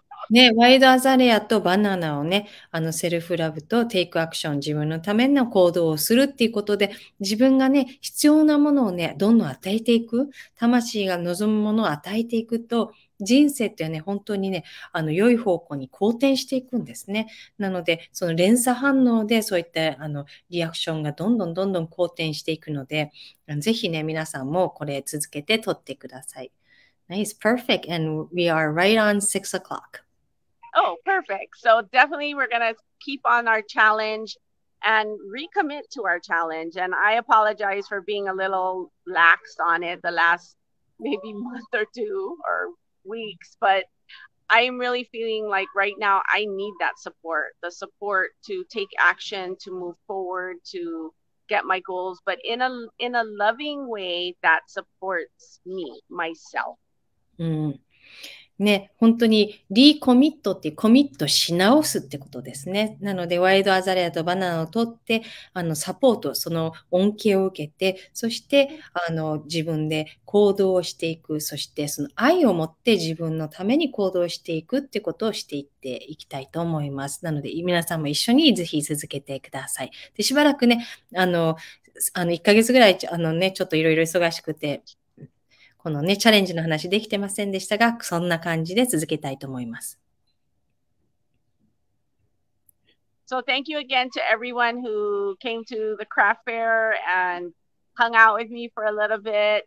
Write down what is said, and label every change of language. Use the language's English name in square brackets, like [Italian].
[Japanese] ね、ワイルドアザレアとバナナをね、セルフラブとテイクアクション、自分のための行動をするっていうことで、自分がね、必要なものをね、どんどん与えていく、魂が望むものを与えていくと、人生ってね、本当にね、良い方向に好転していくんですね。なので、その連鎖反応でそういったリアクションがどんどんどんどん好転していくので、ぜひね、皆さんもこれ続けて撮ってください。 [English] Nice, perfect. And we are right on 6 o'clock. Oh, perfect. So definitely we're going to keep on our challenge and recommit to our challenge. And I apologize for being a little lax on it the last maybe month or two or weeks. But I'm really feeling like right now I need that support, the support to take action, to move forward, to get my goals. But in a loving way that supports me, myself. [Japanese] うん、ね、本当にリーコミットってコミットし直すってことですね。なので、ワイルドアザレアとバナナを取って、サポート、その恩恵を受けて、そして自分で行動をしていく、そしてその愛を持って自分のために行動していくってことをしていっていきたいと思います。なので、皆さんも一緒にぜひ続けてください。で、しばらくね、1ヶ月ぐらい、ね、ちょっといろいろ忙しくて、このね、チャレンジの話できてませんでしたが、そんな感じで続けたいと思います。 [English] So thank you again to everyone who came to the craft fair and hung out with me for a little bit.